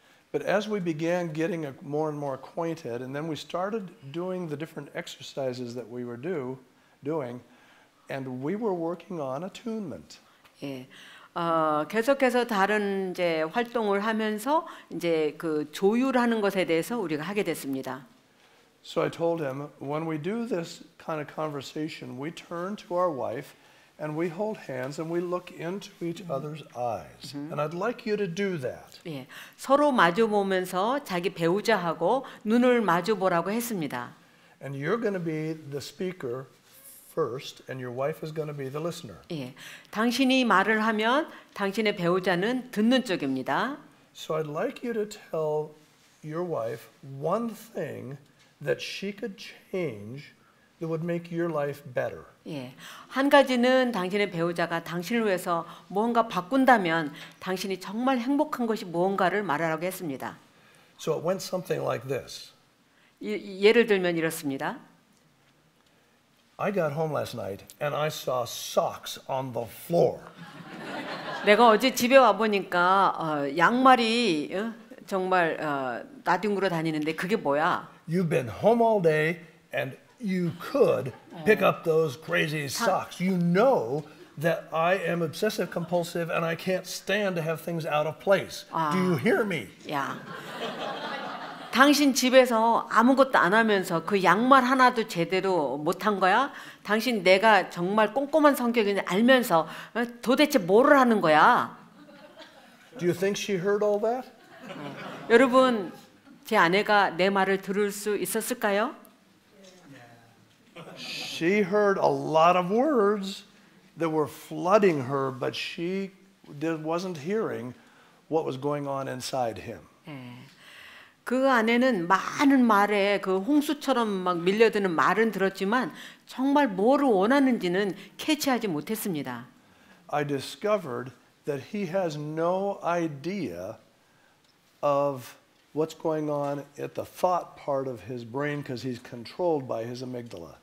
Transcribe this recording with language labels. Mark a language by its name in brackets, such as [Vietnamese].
[English] But as we began getting more and more acquainted, and then we started doing the different exercises that we were doing, and we were working on attunement. [Korean] 예, 계속해서 다른 이제 활동을 하면서 이제 그 조율하는 것에 대해서 우리가 하게 됐습니다. [English] So I told him, when we do this kind of conversation, we turn to our wife and we hold hands and we look into each other's eyes. Mm-hmm. And I'd like you to do that. [Korean] 예, 서로 마주 보면서 자기 배우자하고 눈을 마주 보라고 했습니다. [English] And you're going to be the speaker first, and your wife is going to be the listener. [Korean] 예, 당신이 말을 하면 당신의 배우자는 듣는 쪽입니다. [English] So I'd like you to tell your wife one thing that she could change that would make your life better. [Korean] 예, 한 가지는 당신의 배우자가 당신을 위해서 무언가 바꾼다면 당신이 정말 행복한 것이 무언가를 말하라고 했습니다. [English] So it went something like this. [Korean] 예를 들면 이렇습니다. [English] I got home last night and I saw socks on the floor. [Korean] 내가 어제 집에 와 보니까 양말이 정말 나뒹굴어 다니는데 그게 뭐야? [English] You've been home all day and you could pick up those crazy socks. You know that I am obsessive compulsive and I can't stand to have things out of place. Do you hear me? [Korean] 야. 당신 집에서 아무것도 안 하면서 그 양말 하나도 제대로 못한 거야? 당신 내가 정말 꼼꼼한 성격인지 알면서 도대체 뭐를 하는 거야? [English] Do you think she heard all that? [Korean] 여러분, 제 아내가 내 말을 들을 수 있었을까요? [English] She heard a lot of words that were flooding her, but she wasn't hearing what was going on inside him. [Korean] 그 안에는 많은 말에 그 홍수처럼 막 밀려드는 말은 들었지만 정말 뭐를 원하는지는 캐치하지 못했습니다. [English] I discovered that he has no idea of what's going on at the thought part of his brain because he's controlled by his amygdala.